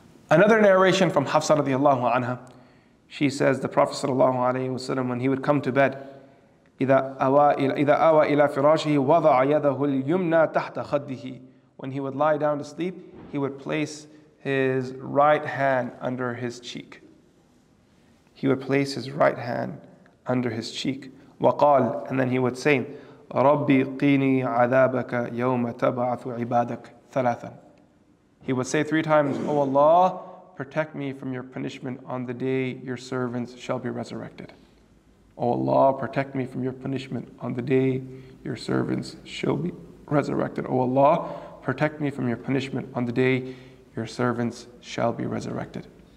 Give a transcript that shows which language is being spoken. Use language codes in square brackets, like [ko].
[en] Another narration from Hafsah radiallahu anha. She says, the Prophet sallallahu alayhi wa sallam, when he would come to bed, [ar] إِذَا أَوَى إِلَى فِرَاشِهِ وَضَعَ يَدَهُ الْيُمْنَى تَحْتَ خَدِّهِ. [en] When he would lie down to sleep, he would place his right hand under his cheek. He would place his right hand under his cheek. [ar] وَقَالَ, [en] and then he would say, [ar] رَبِّ قِينِي عَذَابَكَ يَوْمَ تَبَعَثُ عِبَادَكَ ثَلَاثًا. [en] He would say 3 times, O Allah, protect me from your punishment on the day your servants shall be resurrected. O Allah, protect me from your punishment on the day your servants shall be resurrected. O Allah, protect me from your punishment on the day your servants shall be resurrected.